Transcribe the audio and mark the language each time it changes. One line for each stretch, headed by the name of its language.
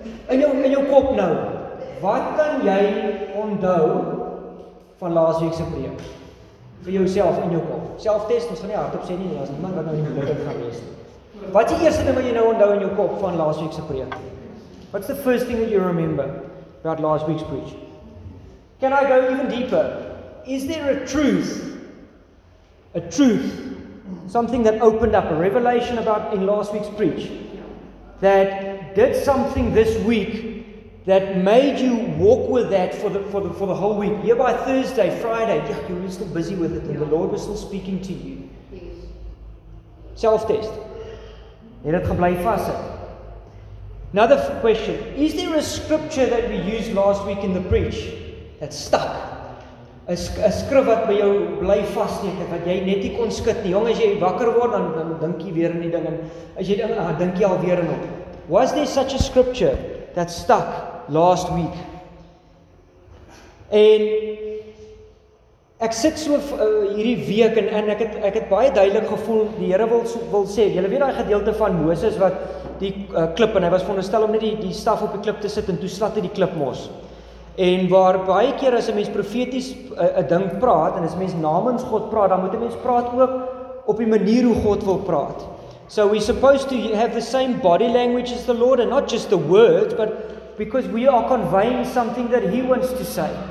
Afrikaans: In jou kop nou, wat kan jy onthou van laas week se preek? Vir jouself in jou kop. Self-test, ons gaan nie hardop sê nie, daar is niemand wat nou die lippe gaan lees. Wat is die eerste ding wat jy nou onthou in jou kop van laas week se preek?
English: What's the first thing that you remember about last week's preach? Can I go even deeper? Is there a truth, something that opened up, a revelation about in last week's preach, that did something this week that made you walk with that for the whole week? Here by Thursday, Friday, yeah, you were still busy with it, and the Lord was still speaking to you. Self-test.
Afrikaans: Het dit gebly vashou?
English: Another question, is there a scripture that we used last week in the preach that stuck?
Afrikaans: A skrif wat by jou bly vassteek, wat jy net nie kon skud nie. Jong, as jy wakker word, dan dink jy weer in die ding. En as jy dink jy alweer in hom.
English: Was there such a scripture that stuck last week?
Afrikaans: En ek sit so hierdie week en ek het baie duidelik gevoel, die Here wil sê, jy weet daai gedeelte van Moses wat die klip, en hy was veronderstel om net die staf op die klip te sit en toe slat hy die klip mos. En waar baie keer as 'n mens profeties 'n ding praat en as 'n mens namens God praat, dan moet 'n mens praat ook op die manier hoe God wil praat.
English: So we're supposed to have the same body language as the Lord and not just the words, but because we are conveying something that He wants to say.